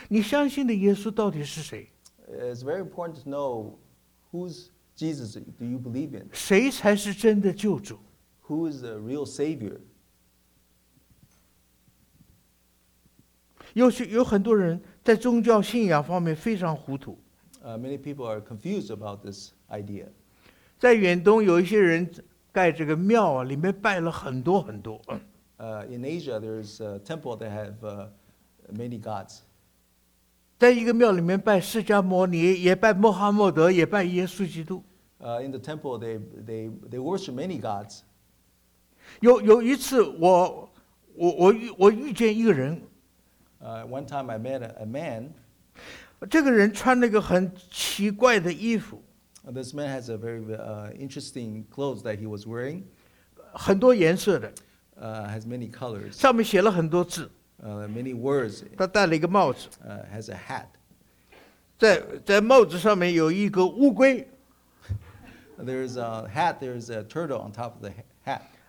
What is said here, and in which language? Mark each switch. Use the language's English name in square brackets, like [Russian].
[Chinese] 你相信的耶稣到底是谁？ [English] It's very important to know who's Jesus do you believe in. [Chinese] 谁才是真的救主？ [English] Who is the real Savior? [Chinese] 有很多人在宗教信仰方面非常糊涂。 [English] Many people are confused about this idea. [Chinese] 在远东有一些人盖这个庙啊，里面拜了很多很多。 [English] In Asia, there is a temple that have many gods. [Chinese] 在一个庙里面拜释迦牟尼，也拜穆罕默德，也拜耶稣基督。 [English] In the temple, they worship many gods. [Chinese] 有一次我遇见一个人。 [English] One time I met a man. [Chinese] 这个人穿了一个很奇怪的衣服。 [English] This man has a very interesting clothes that he was wearing. [Chinese] 很多颜色的。 [English] Has many colors. [Chinese] 上面写了很多字。 [English] Many words. [Chinese] 他戴了一个帽子。 [English] Has a hat. [Chinese] 在帽子上面有一个乌龟。 [English] There's a hat. There's a turtle on top of the hat.